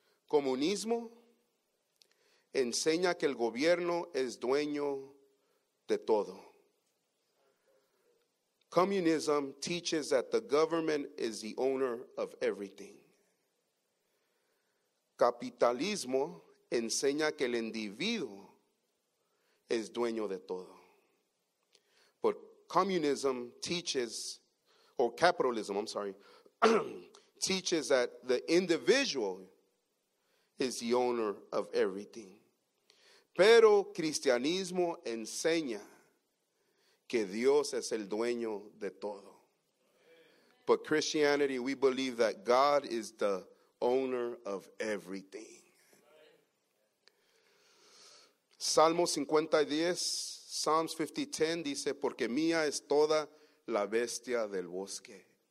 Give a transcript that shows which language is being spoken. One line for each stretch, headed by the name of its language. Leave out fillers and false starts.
Spanish: Comunismo enseña que el gobierno es dueño de todo.
English: Communism teaches that the government is the owner of everything.
Spanish: Capitalismo enseña que el individuo es dueño de todo.
English: But communism teaches, or capitalism, I'm sorry, teaches that the individual is the owner of everything.
Spanish: Pero cristianismo enseña que Dios es el dueño de todo.
English: But Christianity, we believe that God is the owner of everything.
Spanish: Salmo 50:10,
English: Psalms 50:10
Spanish: dice, porque mía es toda la bestia del bosque.